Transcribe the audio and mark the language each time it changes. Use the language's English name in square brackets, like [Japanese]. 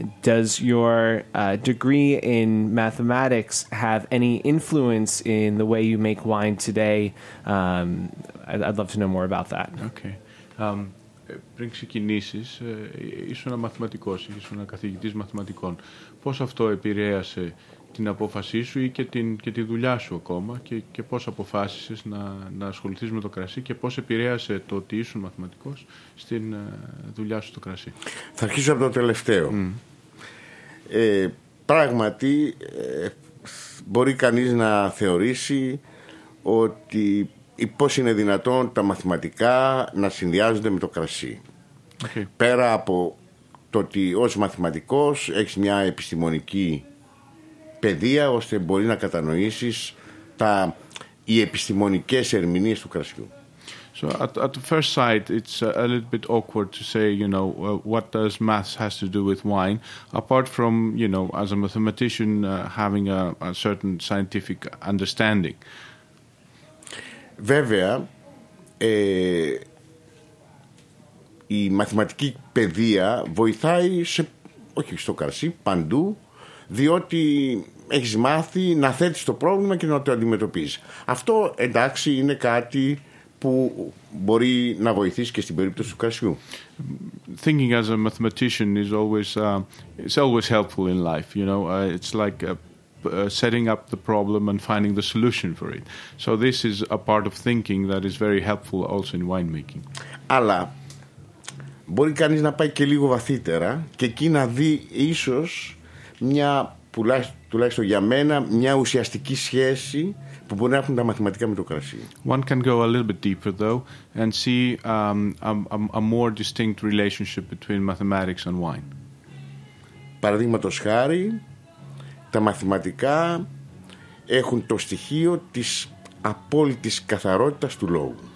[English] Does your degree in mathematics have any influence in the way you make wine today? I'd love to know more about that. Okay. [Greek] Πριν ξεκινήσεις, ήσουν μαθηματικός, ήσουν καθηγητής μαθηματικών. Πώς αυτό επηρέασε την απόφασή σου ή και τη δουλειά σου ακόμα και πώς αποφάσισες να ασχοληθείς με το κρασί και πώς επηρέασε το ότι ήσουν μαθηματικός στην δουλειά σου στο κρασί? Θα αρχίσω από το τελευταίο. Mm. Πράγματι, μπορεί κανείς να θεωρήσει ότι ή πώς είναι δυνατόν τα μαθηματικά να συνδυάζονται με το κρασί. Okay. Πέρα από το ότι ως μαθηματικός έχεις μια επιστημονική παιδεία ώστε μπορεί να κατανοήσεις οι επιστημονικές ερμηνείες του κρασιού. [English] So at the first sight, it's a little bit awkward to say, you know, what does maths has to do with wine, apart from, you know, as a mathematician having a certain scientific understanding. [Greek] Βέβαια, η μαθηματική παιδεία βοηθάει όχι στο κρασί, παντού, διότι έχεις μάθει να θέτεις το πρόβλημα και να το αντιμετωπίζεις. Αυτό, εντάξει, είναι κάτι που μπορεί να βοηθήσει και στην περίπτωση του κρασιού. [English] Thinking as a mathematician is always, it's always helpful in life, you know, it's like setting up the problem and finding the solution for it. So this is a part of thinking that is very helpful also in winemaking. [Greek] Αλλά μπορεί κανείς να πάει και λίγο βαθύτερα και εκεί να δει ίσως μια, τουλάχιστον για μένα, μια ουσιαστική σχέση που μπορεί να έχουν τα μαθηματικά με το κρασί. [English] One can go a little bit deeper though and see a more distinct relationship between mathematics and wine. [Greek] Παραδείγματος χάρη, τα μαθηματικά έχουν το στοιχείο της απόλυτης καθαρότητας του λόγου.